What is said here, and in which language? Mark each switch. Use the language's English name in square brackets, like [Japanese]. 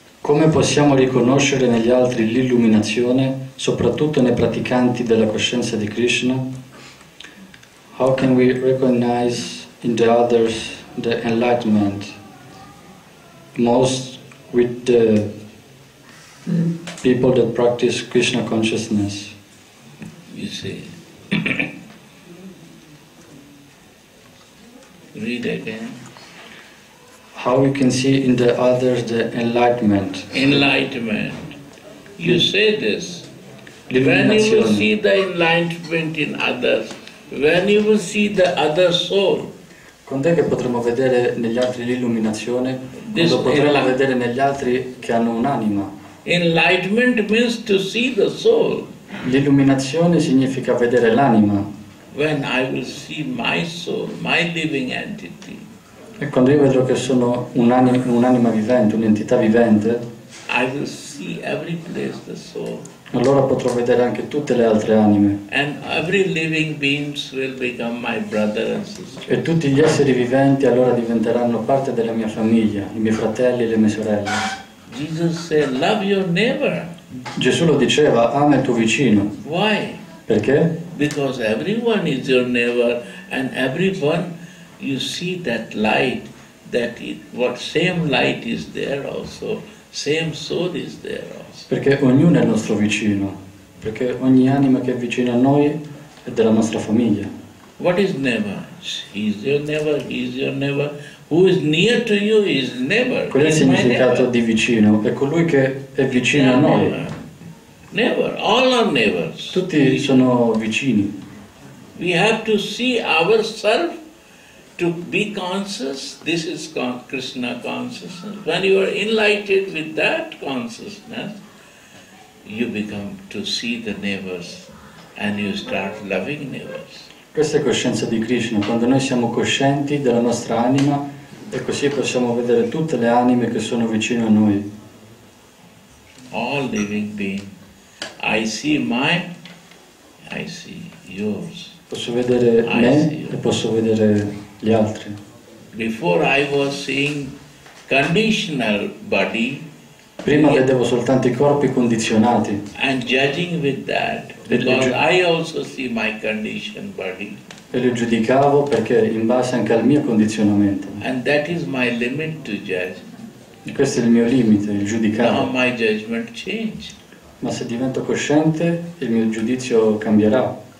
[Italian] Come possiamo riconoscere negli altri l'illuminazione, soprattutto nei praticanti della coscienza di Krishna? [English] How can we recognize in the others the enlightenment, most with the people that practice Krishna consciousness? You see. Read again. How we can see in the others the enlightenment? Enlightenment. You say this. When you will see the enlightenment in others, when you will see the other soul. [Italian] Quando è che potremo vedere negli altri l'illuminazione? Quando potremo vedere negli altri che hanno un'anima? [English] Enlightenment means to see the soul. [Italian] L'illuminazione significa vedere l'anima. [English] When I will see my soul, my living entity. [Italian] E quando io vedrò che sono un'anima vivente, un'entità vivente, [English] I will see every place the soul. [Italian] Allora potrò vedere anche tutte le altre anime. [English] And every living beings will become my brother and sister. [Italian] E tutti gli esseri viventi allora diventeranno parte della mia famiglia, i miei fratelli e le mie sorelle. [English] Jesus said, love your neighbor. [Italian] Gesù lo diceva, ama il tuo vicino. [English] Why? [Italian] Perché? [English] Because everyone is your neighbor and everyone you see that light, that it, what same light is there also, same soul is there also. [Italian] Perché ognuno è nostro vicino, perché ogni anima che è vicina a noi è della nostra famiglia. [English] What is neighbor? He's your neighbor, he's your neighbor. Who is near to you is neighbor. [Italian] Qual è il significato di vicino? È colui che è vicino a noi. [English] Neighbor, all are neighbors. [Italian] Tutti sono vicini. [English] We have to see ourselves to be conscious. This is Krishna consciousness. When you are enlightened with that consciousness, you become to see the neighbors and you start loving neighbors. [Italian] Questa è coscienza di Krishna. Quando noi siamo coscienti della nostra anima, e così possiamo vedere tutte le anime che sono vicino a noi. [English] All living beings. I see yours. [Italian] Posso vedere me e posso vedere gli altri. [English] Before I was seeing conditional body. [Italian] Prima vedevo soltanto i corpi condizionati. [English] And judging with that, because I also see my conditioned body. [Italian] E lo giudicavo perché in base anche al mio condizionamento. [English] And that is my limit to judge. [Italian] E questo è il mio limite, il giudicare. [English] Now my judgment changed. [Italian] Ma se divento cosciente, il mio giudizio cambierà.